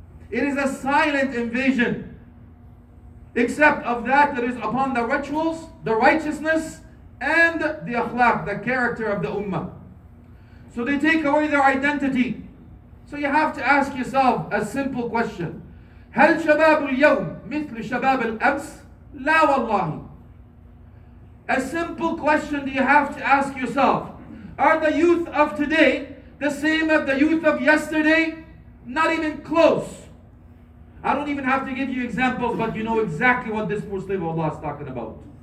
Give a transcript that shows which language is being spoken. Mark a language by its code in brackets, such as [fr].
[en] It is a silent invasion. Except of that that is upon the rituals, the righteousness, and the akhlaq, the character of the ummah. So they take away their identity. So you have to ask yourself a simple question. [ar] هل شباب اليوم مثل شباب الأمس؟ لا والله. [en] A simple question do you have to ask yourself. Are the youth of today the same as the youth of yesterday? Not even close. I don't even have to give you examples, but you know exactly what this poor slave of Allah is talking about.